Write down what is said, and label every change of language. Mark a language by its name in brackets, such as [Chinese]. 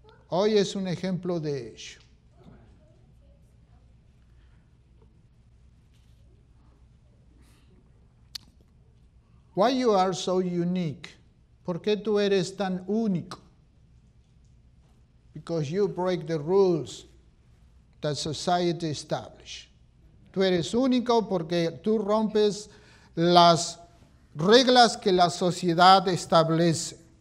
[Spanish] Hoy es un ejemplo de ello. [English] Why you are so unique? [Spanish] ¿Por qué tú eres tan único? [English] Because you break the rules that society established. [Spanish] Tú eres único porque tú rompes las reglas que la sociedad establece.